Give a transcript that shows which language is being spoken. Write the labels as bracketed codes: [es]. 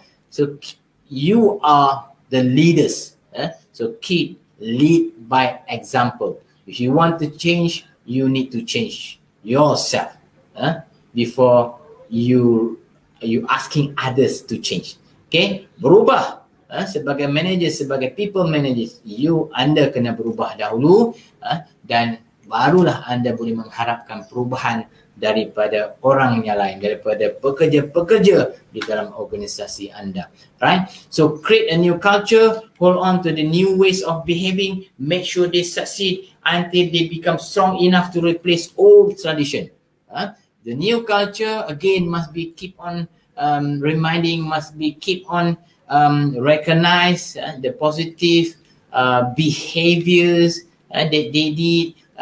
[en] So you are the leaders. So keep lead by example. If you want to change, you need to change yourself before you asking others to change. [ms] Okay, berubah sebagai manager, sebagai people manager, anda kena berubah dahulu dan barulah anda boleh mengharapkan perubahan daripada orang yang lain, daripada pekerja-pekerja di dalam organisasi anda. [en] Right, so create a new culture, hold on to the new ways of behaving, make sure they succeed until they become strong enough to replace old tradition. The new culture again must be keep on reminding, must be keep on recognize the positive behaviors that they did.